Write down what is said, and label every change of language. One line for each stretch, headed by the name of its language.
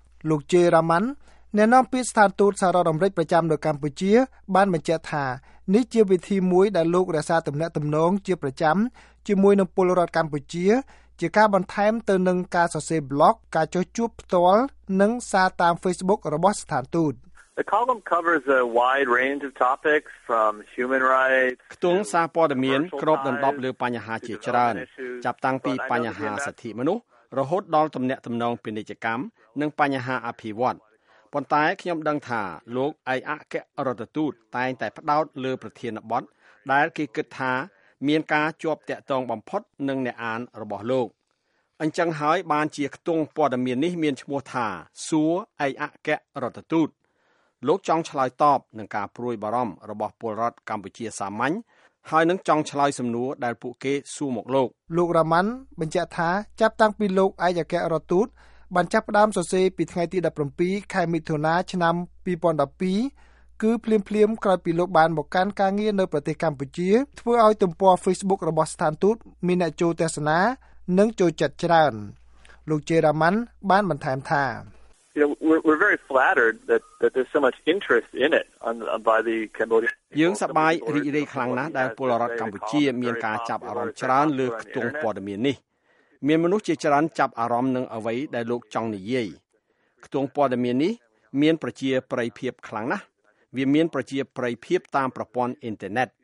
Khmer: លោកជេរ៉ាម៉ាន់អ្នកនាំពាក្យស្ថានទូតសហរដ្ឋអាមេរិកប្រចាំនៅកម្ពុជាបានបញ្ជាក់ថានេះជាវិធីមួយដែលលោករដ្ឋាភិបាលទំនាក់ទំនងជាប្រចាំជាមួយនឹងពលរដ្ឋកម្ពុជាជាការបន្ថែមទៅនឹងការសរសេរប្លុកការចុះជួបផ្ទាល់និងសារតាម Facebook របស់ស្ថានទូត
English: The column covers a wide range of topics from human rights.
Khmer: ខ្ទង់សារព័ត៌មានគ្របដណ្ដប់លើបញ្ហាជាច្រើនចាប់តាំងពីបញ្ហាសិទ្ធិមនុស្សរហូតដល់ទំនាក់ទំនងពាណិជ្ជកម្មនិងបញ្ហាអភិវឌ្ឍប៉ុន្តែខ្ញុំដឹងថាលោកឯកអគ្គរដ្ឋទូតតែងតែផ្ដោតលើប្រធានបទដែលគេគិតថាមានការជាប់ទាក់ទងបំផុតនឹងអ្នកអានរបស់លោក អញ្ចឹងហើយបានជាខ្ទង់ព័ត៌មាននេះមានឈ្មោះថាសួរឯកអគ្គរដ្ឋទូតលោកចង់ឆ្លើយតបនឹងការព្រួយបារម្ភរបស់ពលរដ្ឋកម្ពុជាសាមញ្ញហើយនឹងចង់ឆ្លើយសំណួរដែលពួកគេសួរមកលោក លោករ៉ាម៉ាន់បញ្ជាក់ថាចាប់តាំងពីលោកឯកអគ្គរដ្ឋទូតបានចាប់ផ្ដើមសរសេរពីថ្ងៃទី17ខែមិថុនាឆ្នាំ2012គឺភ្លាមៗក្រោយពីលោកបានមកកាន់ការងារនៅប្រទេសកម្ពុជាធ្វើឲ្យទំព័រ Facebook របស់ស្ថានទូតមានអ្នកចូលទស្សនានិងចូលចិត្តច្រើនលោកជេរ៉ាម៉ាន់បានបន្ថែមថា
English: We're very flattered that there's so much interest in it by the Cambodian people.
Khmer: យើងសប្បាយរីករាយខ្លាំងណាស់ដែលពលរដ្ឋកម្ពុជាមានការចាប់អារម្មណ៍ច្រើនលើខ្ទង់ព័ត៌មាននេះមានមនុស្សជាច្រើនចាប់អារម្មណ៍នឹងអ្វីដែលលោកចង់និយាយខ្ទង់ព័ត៌មាននេះមានប្រជាប្រិយភាពខ្លាំងណាស់វាមានប្រជាប្រិយភាពតាមប្រព័ន្ធអ៊ីនធឺណិត